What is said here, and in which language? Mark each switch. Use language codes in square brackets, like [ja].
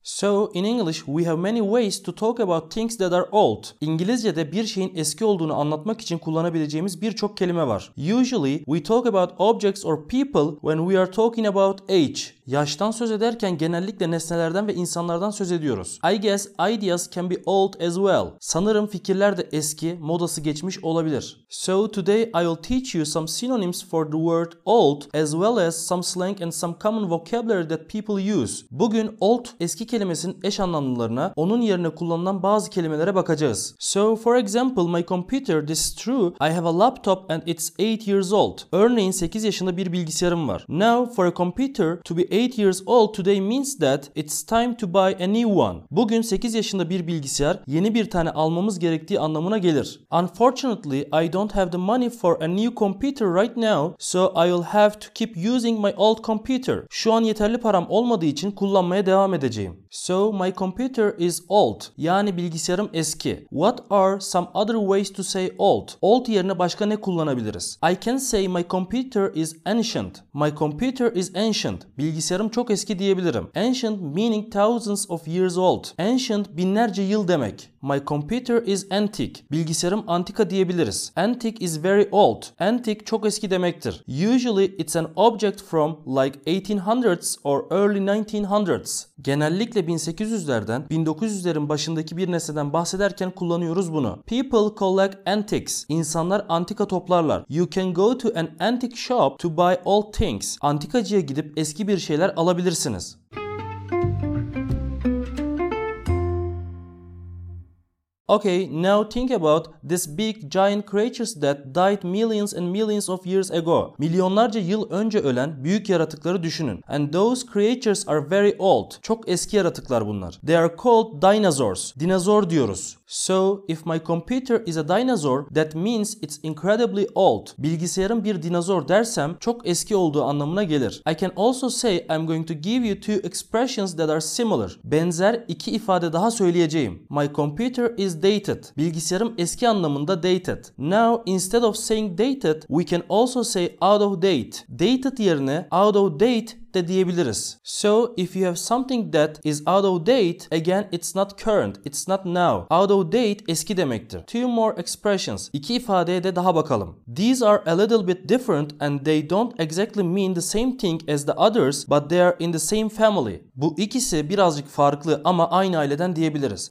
[en] So, in English, we have many ways to talk about things that are old. [tr] İngilizce'de bir şeyin eski olduğunu anlatmak için kullanabileceğimiz birçok kelime var. [en] Usually, we talk about objects or people... When we are talking about age, [tr] yaştan söz ederken genellikle nesnelerden ve insanlardan söz ediyoruz. [en] I guess ideas can be old as well. [tr] Sanırım fikirler de eski, modası geçmiş olabilir. [en] So today I will teach you some synonyms for the word old as well as some slang and some common vocabulary that people use. [tr] Bugün old, eski kelimesinin eş anlamlarına, onun yerine kullanılan bazı kelimelere bakacağız. [en] So for example, my computer, this is true, I have a laptop and it's 8 years old. [tr] Örneğin 8 yaşında bir bilgisayarım var. [en] Now, for a computer to be 8 years old today means that it's time to buy a new one. [tr] Bugün 8 yaşında bir bilgisayar yeni bir tane almamız gerektiği anlamına gelir. [en] Unfortunately, I don't have the money for a new computer right now, so I'll have to keep using my old computer. [tr] Şu an yeterli param olmadığı için kullanmaya devam edeceğim. [en] So, my computer is old. [tr] Yani bilgisayarım eski. [en] What are some other ways to say old? [tr] Old yerine başka ne kullanabiliriz? [en] I can say my computer is ancient. My computer is ancient. [tr] Bilgisayarım çok eski diyebilirim. [en] Ancient meaning thousands of years old. Ancient [tr] binlerce yıl demek. [en] My computer is antique. [tr] Bilgisayarım antika diyebiliriz. [en] Antique is very old. Antique [tr] çok eski demektir. [en] Usually it's an object from like 1800s or early 1900s. [tr] Genellikle 1800'lerden 1900'lerin başındaki bir nesneden bahsederken kullanıyoruz bunu. [en] People collect antiques. [tr] İnsanlar antika toplarlar. [en] You can go to an antique shop to buy old things. [tr] Antikacıya gidip eski bir şeyler alabilirsiniz. [en] Okay, now think about this big giant creatures that died millions and millions of years ago. [tr] Milyonlarca yıl önce ölen büyük yaratıkları düşünün. [en] And those creatures are very old. [tr] Çok eski yaratıklar bunlar. [en] They are called dinosaurs. [tr] Dinozor diyoruz. [en] So, if my computer is a dinosaur, that means it's incredibly old. [tr] Bilgisayarım bir dinozor dersem çok eski olduğu anlamına gelir. [en] I can also say I'm going to give you two expressions that are similar. [tr] Benzer iki ifade daha söyleyeceğim. [en] My computer is dated. [tr] Bilgisayarım eski anlamında [en] dated. Now, instead of saying dated, we can also say out of date. [tr] Dated yerine out of date de diyebiliriz. [en] So, if you have something that is out of date, again, it's not current, it's not now. [tr] Out of date, eski demektir. [en] Two more expressions. [tr] İki ifadeye de daha bakalım. [en] These are a little bit different and they don't exactly mean the same thing as the others, but they are in the same family. [tr] Bu ikisi birazcık farklı ama aynı aileden diyebiliriz.